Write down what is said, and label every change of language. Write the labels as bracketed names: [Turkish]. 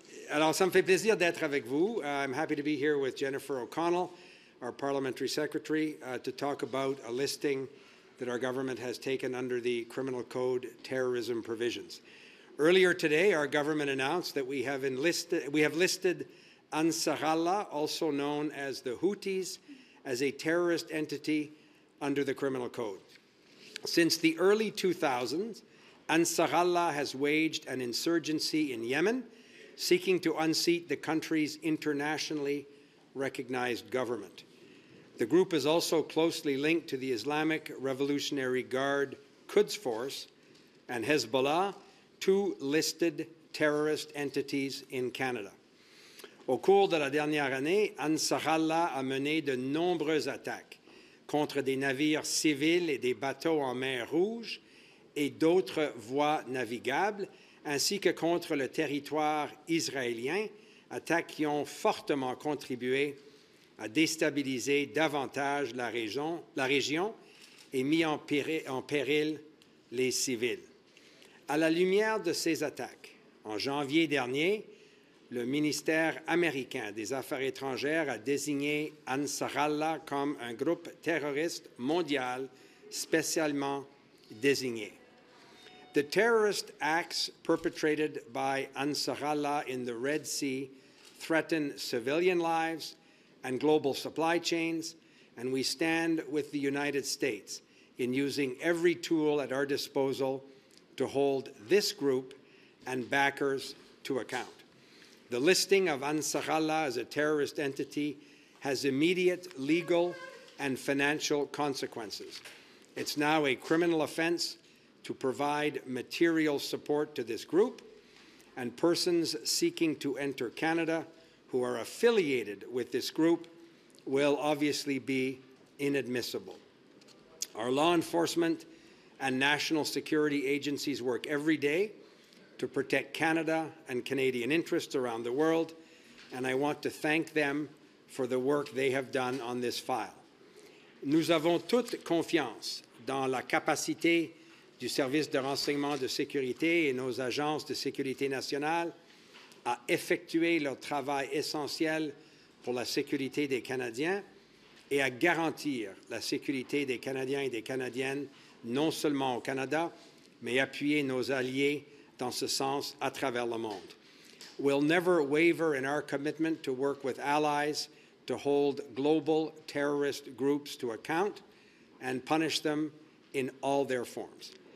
[French] Alors, ça me fait plaisir d'être avec vous. [English] I'm happy to be here with Jennifer O'Connell, our parliamentary secretary, to talk about a listing that our government has taken under the criminal code terrorism provisions. Earlier today, our government announced that we have listed Ansarallah, also known as the Houthis, as a terrorist entity under the criminal code. Since the early 2000s, Ansarallah has waged an insurgency in Yemen, seeking to unseat the country's internationally recognized government. The group is also closely linked to the Islamic Revolutionary Guard Quds Force and Hezbollah, two listed terrorist entities in Canada. [French] Au cours de la dernière année, Ansarallah a mené de nombreuses attaques contre des navires civils et des bateaux en mer Rouge et d'autres voies navigables, ainsi que contre le territoire israélien, attaques qui ont fortement contribué à déstabiliser davantage la région et mis en péril les civils. À la lumière de ces attaques, en janvier dernier, le ministère américain des Affaires étrangères a désigné Ansarallah comme un groupe terroriste mondial spécialement désigné. [English] The terrorist acts perpetrated by Ansarallah in the Red Sea threaten civilian lives and global supply chains, and we stand with the United States in using every tool at our disposal to hold this group and backers to account. The listing of Ansarallah as a terrorist entity has immediate legal and financial consequences. It's now a criminal offense to provide material support to this group, and persons seeking to enter Canada who are affiliated with this group will obviously be inadmissible. Our law enforcement and national security agencies work every day to protect Canada and Canadian interests around the world, and I want to thank them for the work they have done on this file. [French] Nous avons toute confiance dans la capacité du service de renseignement de sécurité et nos agences de sécurité nationale à effectuer leur travail essentiel pour la sécurité des Canadiens et à garantir la sécurité des Canadiens et des Canadiennes, non seulement au Canada, mais appuyer nos alliés dans ce sens à travers le monde. [English] We'll never waver in our commitment to work with allies to hold global terrorist groups to account and punish them in all their forms.